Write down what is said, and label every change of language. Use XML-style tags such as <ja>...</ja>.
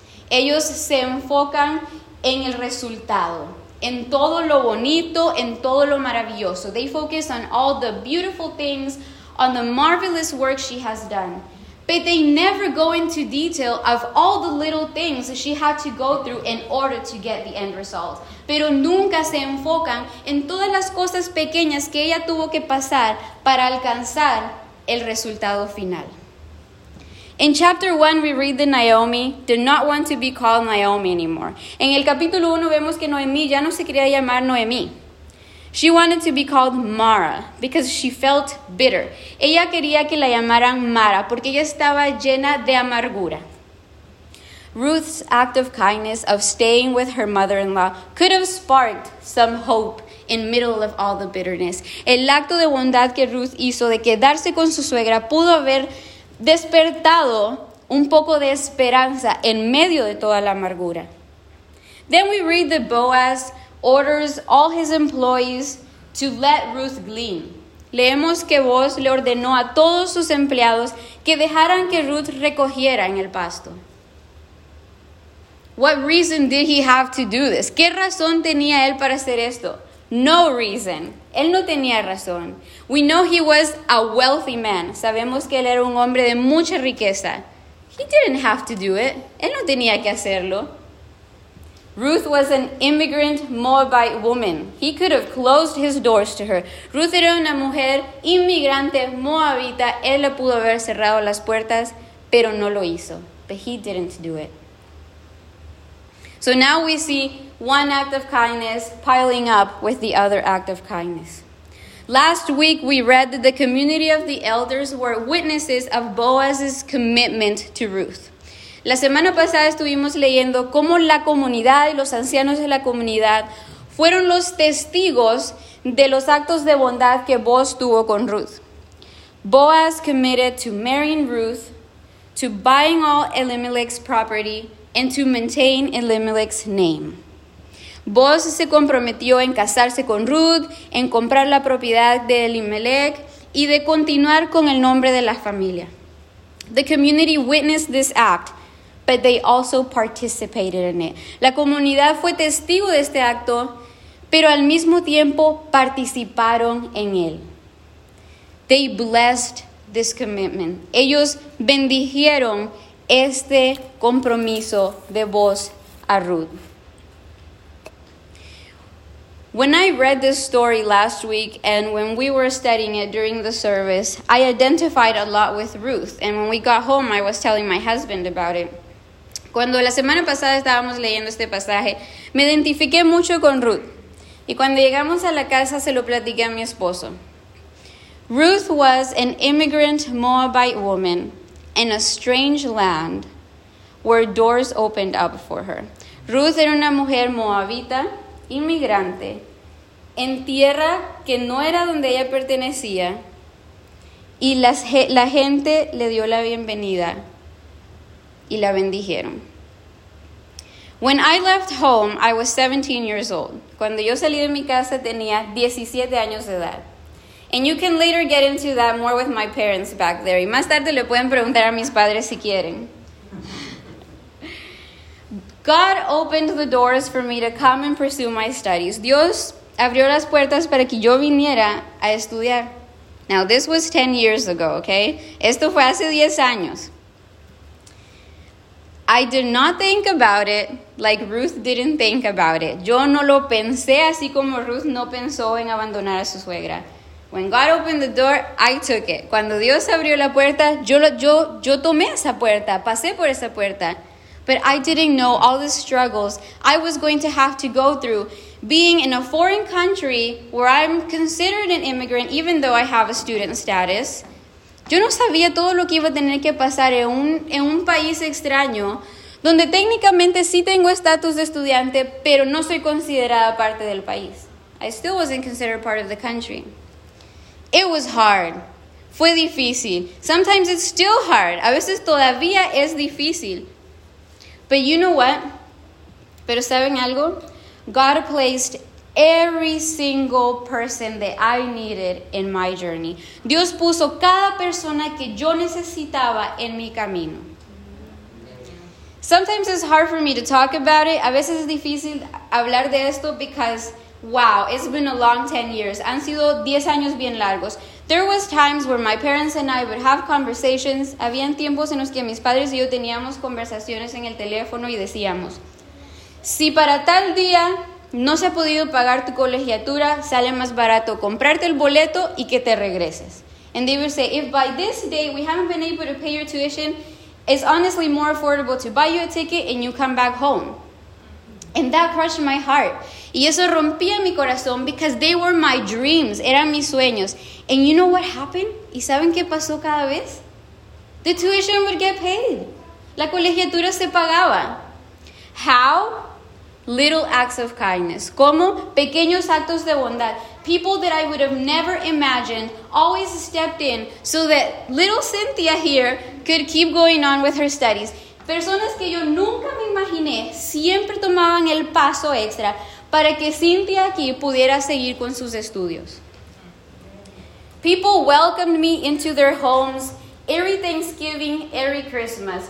<es>Ellos se enfocan en el resultado, en todo lo bonito, en todo lo maravilloso.</es> <en>They focus on all the beautiful things, on the marvelous work she has done. But they never go into detail of all the little things she had to go through in order to get the end result.</en> <es>Pero nunca se enfocan en todas las cosas pequeñas que ella tuvo que pasar para alcanzar el resultado final.</es> <en>In chapter 1, we read that Naomi did not want to be called Naomi anymore.</en> <es>En el capítulo 1, vemos que Noemí ya no se quería llamar Noemí.</es> <en>She wanted to be called Mara because she felt bitter.</en> <es>Ella quería que la llamaran Mara porque ella estaba llena de amargura.</es> <en>Ruth's act of kindness of staying with her mother-in-law could have sparked some hope in the middle of all the bitterness.</en> <es>El acto de bondad que Ruth hizo de quedarse con su suegra pudo haber despertado un poco de esperanza en medio de toda la amargura.</es> <en>Then we read the Boaz orders all his employees to let Ruth glean.</en> <es>Leemos que Boaz le ordenó a todos sus empleados que dejaran que Ruth recogiera en el pasto.</es> <en>What reason did he have to do this?</en> <es>¿Qué razón tenía él para hacer esto?</es> <en>No reason.</en> <es>Él no tenía razón.</es> <en>We know he was a wealthy man.</en> <es>Sabemos que él era un hombre de mucha riqueza.</es> <en>He didn't have to do it.</en> <es>Él no tenía que hacerlo.</es> <en>Ruth was an immigrant Moabite woman. He could have closed his doors to her.</en> <es>Ruth era una mujer inmigrante moabita. Él le pudo haber cerrado las puertas, pero no lo hizo.</es> <en>But he didn't do it. So now we see one act of kindness piling up with the other act of kindness. Last week we read that the community of the elders were witnesses of Boaz's commitment to Ruth.</en> <es>La semana pasada estuvimos leyendo cómo la comunidad y los ancianos de la comunidad fueron los testigos de los actos de bondad que Boaz tuvo con Ruth.</es> <en>Boaz committed to marrying Ruth, to buying all Elimelech's property, and to maintain Elimelech's name.</en> <es>Boaz se comprometió en casarse con Ruth, en comprar la propiedad de Elimelech, y de continuar con el nombre de la familia.</es> <en>The community witnessed this act, but they also participated in it.</en> <es>La comunidad fue testigo de este acto, pero al mismo tiempo participaron en él.</es> <en>They blessed this commitment.</en> <es>Ellos bendijeron este compromiso de Boaz a Ruth.</es> <en>When I read this story last week and when we were studying it during the service, I identified a lot with Ruth. And when we got home, I was telling my husband about it.</en> <es>Cuando la semana pasada estábamos leyendo este pasaje, me identifiqué mucho con Ruth. Y cuando llegamos a la casa, se lo platiqué a mi esposo.</es> <en>Ruth was an immigrant Moabite woman in a strange land where doors opened up for her.</en> <es>Ruth era una mujer moabita, inmigrante, en tierra que no era donde ella pertenecía, y la gente le dio la bienvenida. Y la bendijeron.</es> <en>When I left home, I was 17 years old.</en> <es>Cuando yo salí de mi casa, tenía 17 años de edad.</es> <en>And you can later get into that more with my parents back there.</en> <es>Y más tarde le pueden preguntar a mis padres si quieren.</es> <en>God opened the doors for me to come and pursue my studies.</en> <es>Dios abrió las puertas para que yo viniera a estudiar.</es> <en>Now, this was 10 years ago, okay?</en> <es>Esto fue hace 10 años.</es> <en>I did not think about it like Ruth didn't think about it.</en> <es>Yo no lo pensé así como Ruth no pensó en abandonar a su suegra.</es> <en>When God opened the door, I took it.</en> <es>Cuando Dios abrió la puerta, yo tomé esa puerta, pasé por esa puerta.</es> <en>But I didn't know all the struggles I was going to have to go through being in a foreign country where I'm considered an immigrant even though I have a student status.</en> <es>Yo no sabía todo lo que iba a tener que pasar en un país extraño donde técnicamente sí tengo estatus de estudiante, pero no soy considerada parte del país.</es> <en>I still wasn't considered part of the country. It was hard.</en> <es>Fue difícil.</es> <en>Sometimes it's still hard.</en> <es>A veces todavía es difícil.</es> <en>But you know what?</en> <es>Pero saben algo?</es> <en>God placed every single person that I needed in my journey.</en> <es>Dios puso cada persona que yo necesitaba en mi camino.</es> <en>Sometimes it's hard for me to talk about it.</en> <es>A veces es difícil hablar de esto</es> <en>because, wow, it's been a long 10 years.</en> <es>Han sido 10 años bien largos.</es> <en>There was times where my parents and I would have conversations.</en> <es>Habían tiempos en los que mis padres y yo teníamos conversaciones en el teléfono y decíamos, si para tal día no se ha podido pagar tu colegiatura, sale más barato comprarte el boleto y que te regreses.</es> <en>And they would say, if by this day we haven't been able to pay your tuition, it's honestly more affordable to buy you a ticket and you come back home. And that crushed my heart.</en> <es>Y eso rompía mi corazón</es> <en>because they were my dreams.</en> <es>Eran mis sueños.</es> <en>And you know what happened?</en> <es>¿Y saben qué pasó cada vez?</es> <en>The tuition would get paid.</en> <es>La colegiatura se pagaba.</es> <en>How? Little acts of kindness.</en> <es>¿Cómo? Pequeños actos de bondad.</es> <en>People that I would have never imagined always stepped in so that little Cynthia here could keep going on with her studies.</en> <es>Personas que yo nunca me imaginé siempre tomaban el paso extra para que Cynthia aquí pudiera seguir con sus estudios.</es> <en>People welcomed me into their homes every Thanksgiving, every Christmas.</en>